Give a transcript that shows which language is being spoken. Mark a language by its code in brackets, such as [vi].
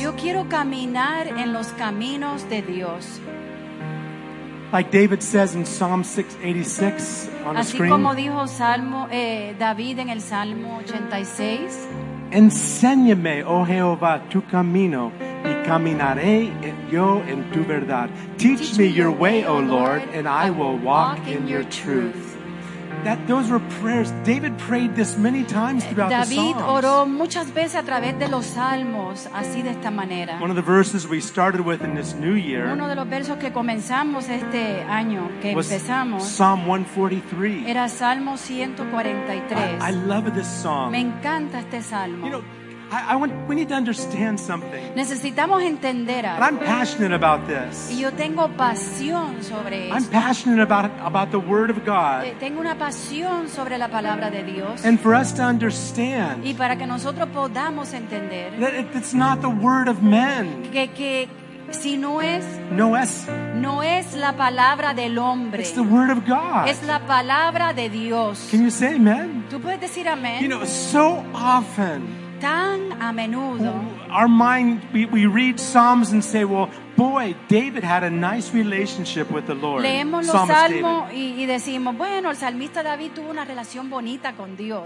[es] Yo quiero caminar en los caminos de Dios. [en] Like David says in Psalm 686 on the screen. [es] Así como dijo David en el Salmo 86. Enséñame, oh Jehová, tu camino, y caminaré yo en tu verdad. [en] Teach me your way, O Lord, and I will walk in your truth. That those were prayers. David prayed this many times throughout the Psalms. [es] David oró muchas veces a través de los salmos, así de esta manera. [en] One of the verses we started with in this new year. [es] Uno de los versos que comenzamos este año, que empezamos. [en] Psalm 143. [es] Era Salmo 143. [en] I love this song. [es] Me encanta este salmo. [en] You know, we need to understand something. [es] Necesitamos entender algo. [en] But I'm passionate about this. [es] Y yo tengo pasión sobre esto. [en] I'm passionate about the Word of God. [es] Tengo una pasión sobre la palabra de Dios. [en] And for us to understand. [es] Y para que nosotros podamos entender. [en] That it's not the Word of men. [es] Que si no es. No es. No es la palabra del hombre. [en] It's the Word of God. [es] Es la palabra de Dios. [en] Can you say amen? [es] Tú puedes decir amén. [en] You know, so often. [es] Tan a menudo. [en] Our mind, we read Psalms and say, well, boy, David had a nice relationship with the Lord. [es] Leemos los salmos y decimos, bueno, el salmista David tuvo una relación bonita con Dios.